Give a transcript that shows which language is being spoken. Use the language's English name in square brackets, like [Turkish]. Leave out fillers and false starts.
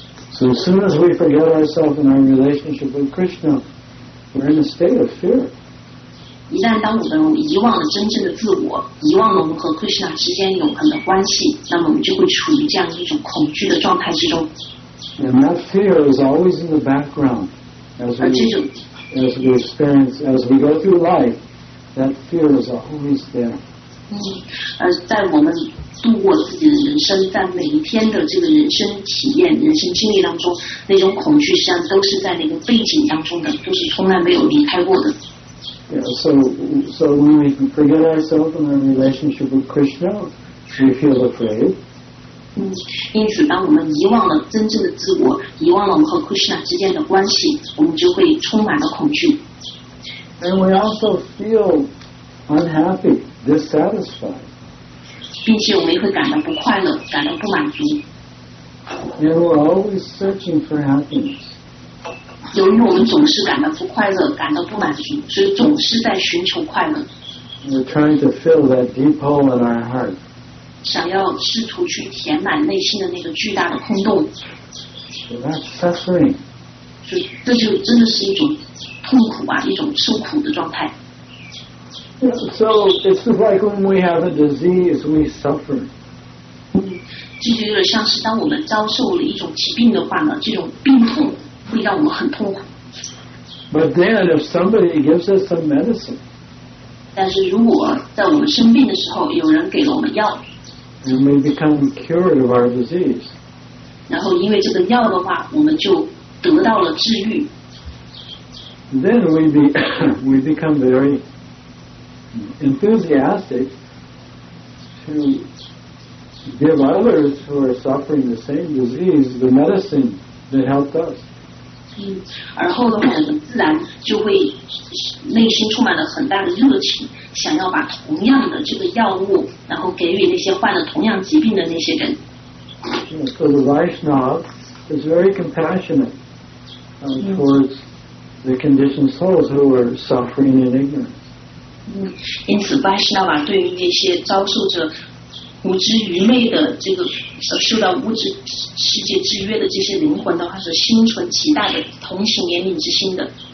[English] So as soon as we forget ourselves in our relationship with Krishna, we're in a state of fear. [Chinese] 一旦当我们遗忘了真正的自我，遗忘了我们和Krishna之间永恒的关系，那么我们就会处于这样一种恐惧的状态之中。 [English] And that fear is always in the background, as we go through life, that fear is always there. [Chinese] 而在我们度过自己的人生，在每一天的这个人生体验、人生经历当中，那种恐惧实际上都是在那个背景当中的，都是从来没有离开过的。 [English] So when we forget ourselves in our relationship with Krishna, we feel afraid. [Chinese] 因此当我们遗忘了真正的自我，遗忘了和 Krishna 之间的关系，我们就会充满了恐惧。 [English] And we also feel unhappy, dissatisfied. [Chinese] 并且我们也会感到不快乐，感到不满足。 [English] And we're always searching for happiness. [Chinese] 由于我们总是感到不快乐，感到不满足，所以总是在寻求快乐。 [English] We're trying to fill that deep hole in our heart. [Chinese] 想要试图去填满内心的那个巨大的空洞。 [English] So that's suffering. [Chinese] 这就真的是一种痛苦啊，一种受苦的状态。 [English] So it's like when we have a disease, we suffer. [Chinese] 这就有点像是当我们遭受了一种疾病的话呢，这种病痛会让我们很痛苦。 [English] But then if somebody gives us some medicine. [Chinese] 但是如果在我们生病的时候，有人给了我们药。 [English] And we become cured of our disease. [Chinese] 然后因为这个药的话，我们就得到了治愈。 [English] Then we become very enthusiastic to give others who are suffering the same disease the medicine that helped us. [Chinese] 而后的话，我们自然就会内心充满了很大的热情。想要把同样的这个药物然后给予那些患了同样疾病的那些人。 [English] So the Vaishnav is very compassionate towards the conditioned souls who are suffering in ignorance. [Chinese] 因此 Vaishnava 对于那些遭受着无知愚昧的这个受到物质世界制约的这些灵魂的话是心存极大的同情怜悯之心的。